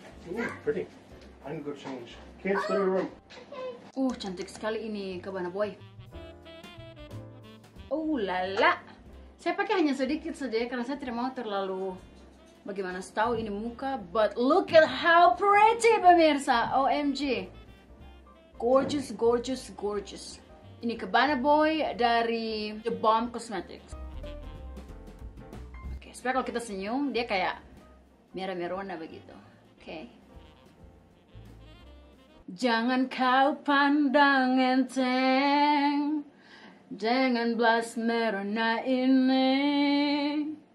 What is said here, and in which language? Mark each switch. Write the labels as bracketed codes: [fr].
[en] Ooh, pretty. I need to go change. Kids, go to your room. [id] Cantik sekali ini Cabana Boy. Lala. Saya pakai hanya sedikit saja karena saya tidak mau terlalu bagaimana tahu ini muka. [en] But look at how pretty, pemirsa. OMG. Gorgeous. [id] Ini ke Banana Boy dari The Bomb Cosmetics. Oke, supaya kalau kita senyum dia kayak merah-merona begitu. Oke. Jangan kau pandang enteng dengan blush merona ini.